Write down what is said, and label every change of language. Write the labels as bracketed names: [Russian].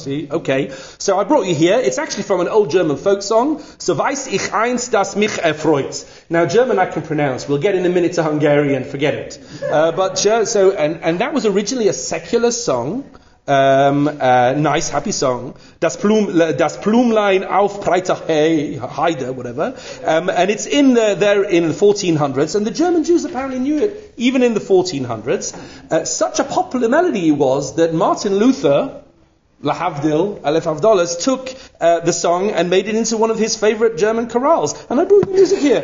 [English] Okay, so I brought you here. It's actually from an old German folk song. [German] So weiß ich eins, dass mich erfreut. [English] Now, German I can pronounce. We'll get in a minute to Hungarian. Forget it. But that was originally a secular song. Nice, happy song. [German] Das Blumlein auf Breiter Heide, whatever. [English] And it's in there in the 1400s, and the German Jews apparently knew it even in the 1400s. Such a popular melody was that Martin Luther, Lahavdil, Aleph Avdolas, took the song and made it into one of his favorite German chorales. And I brought the music here.